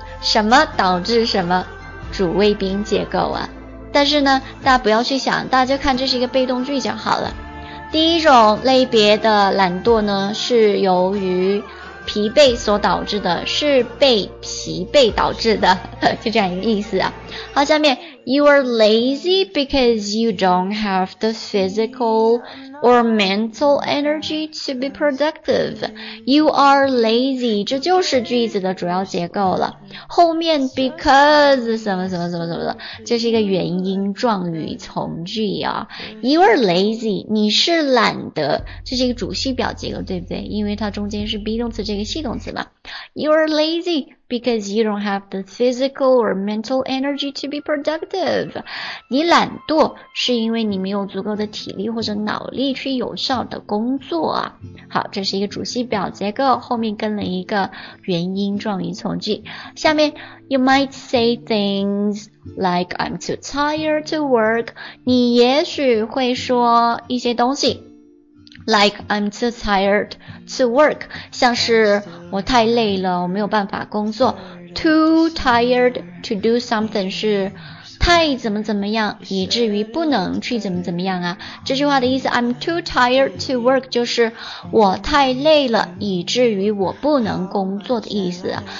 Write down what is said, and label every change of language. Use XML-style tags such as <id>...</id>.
<zh>什么导致什么？主谓宾结构啊。但是呢，大家不要去想，大家就看这是一个被动句就好了。第一种类别的懒惰呢，是由于疲惫所导致的，是被疲惫导致的，就这样一个意思啊。好，下面</zh> <en>You are lazy because you don't have the physical or mental energy to be productive. You are lazy，</en> <zh>这就是句子的主要结构了，后面 because 什么什么什么什么的，这是一个原因状语从句啊。</zh> <en>You are lazy，</en> <zh>你是懒得，这是一个主系表结构，对不对？因为它中间是 be 动词这个系动词嘛。</zh> <en>You are lazyBecause you don't have the physical or mental energy to be productive.</en> <zh>你懒惰是因为你没有足够的体力或者脑力去有效的工作啊。好，这是一个主系表结构，后面跟了一个原因状语从句。下面</zh> <en>You might say things like I'm too tired to work.</en> <zh>你也许会说一些东西。</zh> <en>Like I'm too tired to work，</en> <zh>像是我太累了，我没有办法工作。</zh> <en>Too tired to do something</en> <zh>是太怎么怎么样，以至于不能去怎么怎么样啊。这句话的意思 ，</zh> <en>I'm too tired to work</en> <zh>就是我太累了，以至于我不能工作的意思。</zh>